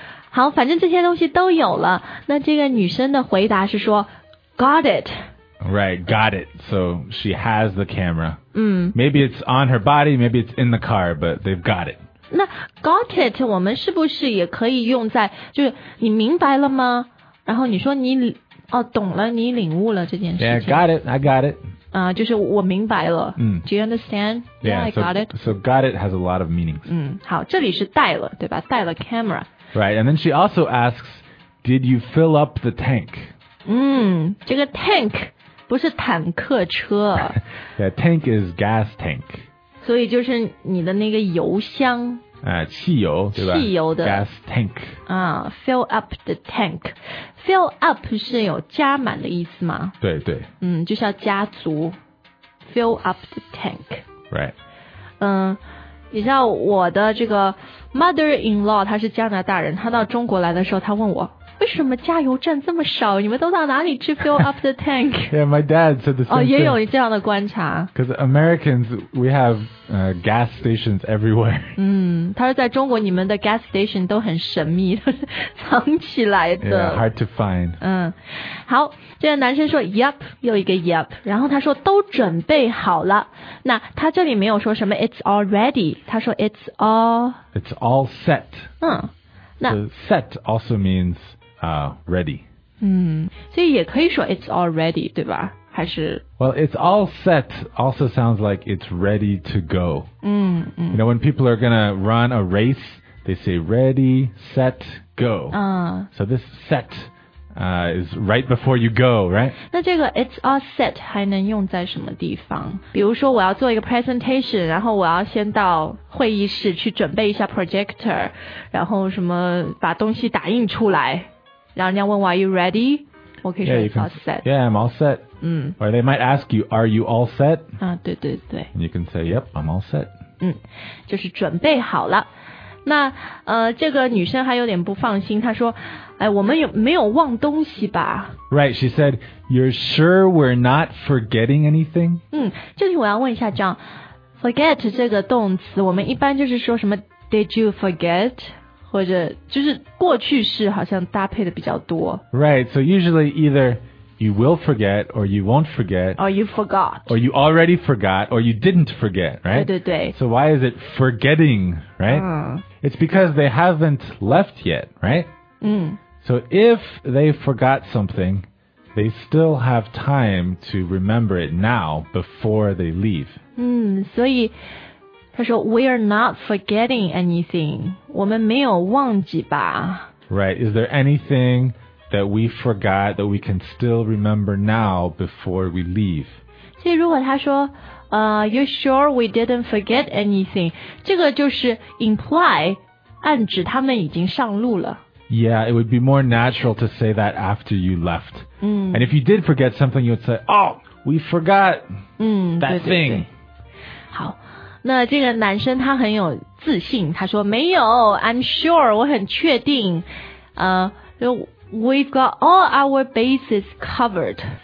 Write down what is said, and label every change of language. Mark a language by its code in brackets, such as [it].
[zh] 好，反正这些东西都有了。那这个女生的回答是说 ， [en] Got it. Right, got it. So she has the camera. 嗯，Maybe it's on her body, maybe it's in the car, but they've got it. [zh] 那 [en] got it， [zh] 我们是不是也可以用在就是你明白了吗？然后你说你哦懂了，你领悟了这件事情。 [en] Yeah, got it. I got it. [zh] 啊、就是我明白了。嗯 [en] ，Do you understand? Yeah, I got it. So got it has a lot of meanings. [zh] 嗯，好，这里是带了，对吧？带了 camera。 [en] Right, and then she also asks, "Did you fill up the tank?" [zh] 这个 tank 不是坦克车。 [en] Yeah, tank is gas tank. [zh] 所以就是你的那个油箱。汽油对吧？汽油的 [en] gas tank. Fill up the tank. [zh] Fill up 是有加满的意思吗？对对。就是要加足。 [en] Fill up the tank. Right. [zh] 你知道我的这个 mother-in-law 她是加拿大人，她到中国来的时候，她问我为什么加油站这么少，你们都到哪里去 [en] fill up the tank? Yeah, my dad said the same thing. [zh] 也有这样的观察。 [en] Because Americans, we have gas stations everywhere. [zh] 他说在中国你们的 gas station 都很神秘，都是藏起来的。 [en] Yeah, hard to find. [zh] 好，这个男生说 yup, 又一个 yup, 然后他说都准备好了。那他这里没有说什么 [en] it's all ready, [zh] 他说 [en] it's all set. 那 so, set also means,ready. [zh] 所以也可以说 [en] it's all ready, [zh] 对吧？还是 [en] Well, it's all set also sounds like it's ready to go. You know, when people are gonna run a race, they say ready, set, go. So this set, is right before you go, right? [zh] 那这个 [en] it's all set [zh] 还能用在什么地方？比如说我要做一个 presentation, 然后我要先到会议室去准备一下 projector, 然后什么把东西打印出来。然后人家问我 [en] Are you ready? [zh] 我可以说 [en] yeah, it's all set. Yeah, I'm all set. Or they might ask you, Are you all set? [zh] 对对对。 [en] And you can say, Yep, I'm all set. [zh] 就是准备好了。那这个女生还有点不放心，她说，哎，我们有没有忘东西吧？ [en] Right, she said, You're sure we're not forgetting anything? [zh] 这里我要问一下这样 ，forget 这个动词，我们一般就是说什么 ？ [en] Did you forget? [zh] 或者就是过去式好像搭配的比较多 [en] Right, so usually either you will forget or you won't forget Or you forgot Or you already forgot or you didn't forget, right? [zh] 对对对 [en] So why is it forgetting, right? It's because they haven't left yet, right? So if they forgot something, they still have time to remember it now before they leave [zh] 所以他说 , [en] we are not forgetting anything. [zh] 我们没有忘记吧。 [en] Right, is there anything that we forgot that we can still remember now before we leave? [zh] 所以如果他说 , [en] you're sure we didn't forget anything, [zh] 这个就是 imply, 暗指他们已经上路了。 [en] Yeah, it would be more natural to say that after you left. And if you did forget something, you would say, oh, we forgot that [zh] 对对对 [en] thing. [zh] 好。那这个男生他很有自信，他说没有 ， [en] I'm sure， [zh] 我很确定， [en] we've got all our bases covered.